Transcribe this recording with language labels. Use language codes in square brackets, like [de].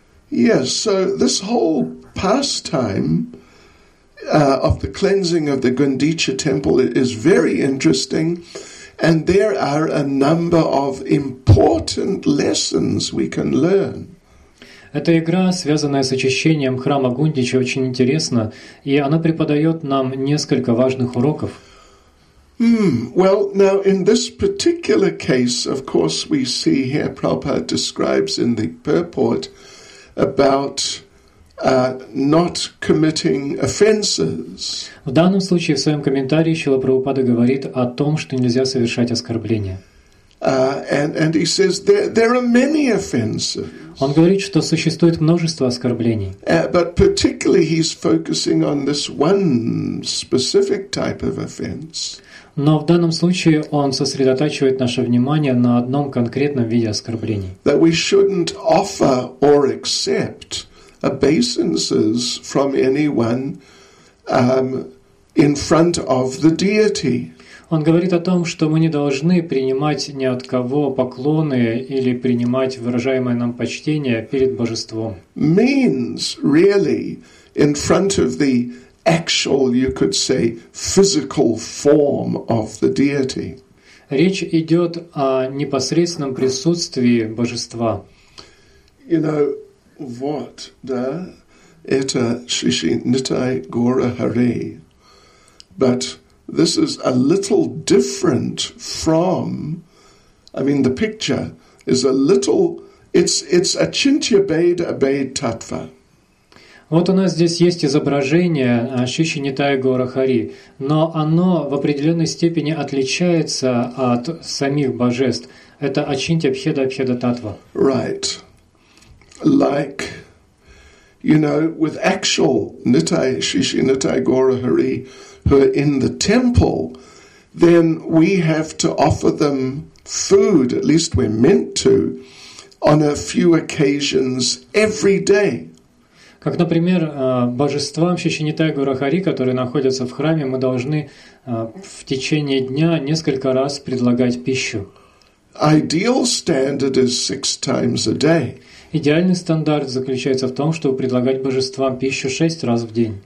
[en] Yes, so this whole pastime of the cleansing of the Gundicha temple is very interesting, and there are a number of important lessons we can learn. [ru] Эта игра, связанная с очищением храма Гундича, очень интересна, и она преподает нам несколько важных уроков. [en] Well, now in this particular case, of course, we see here Prabhupada describes in the purport about not committing offenses. [ru] В данном случае в своем комментарии Шрила Прабхупада говорит о том, что нельзя совершать оскорбления. [en] And he says there are many offenses. [ru] Он говорит, что существует множество оскорблений. [en] But particularly he's focusing on this one specific type of offense. [ru] Но в данном случае он сосредотачивает наше внимание на одном конкретном виде оскорблений. [en] That we shouldn't offer or accept obeisances from anyone in front of the deity. [ru] Он говорит о том, что мы не должны принимать ни от кого поклоны или принимать выражаемое нам почтение перед божеством. [en] Means really in front of the actual, you could say, physical form of the deity. [ru] Речь идет о непосредственном присутствии божества. [en] You know, [ru] Вот, да, это Шиши Нитай Гора Харе. [en] But this is a little different from, I mean, the picture is a little, it's a Чинтьябед Абед Татва. [ru] Вот у нас здесь есть изображение Шиши Нитай Гора Харе, но оно в определенной степени отличается от самих божеств. Это Ачинтьябхеда Абхеда Татва. [en] Right. Like, you know, with actual Nitai, Shishi Nitai Gaura Hari, who are in the temple, then we have to offer them food, at least we're meant to, on a few occasions every day. [ru] Как, например, божествам Шиши Нитай Гаура Хари, которые находятся в храме, мы должны в течение дня несколько раз предлагать пищу. [en] Ideal standard is 6 times a day. [ru] Идеальный стандарт заключается в том, чтобы предлагать божествам пищу 6 раз в день.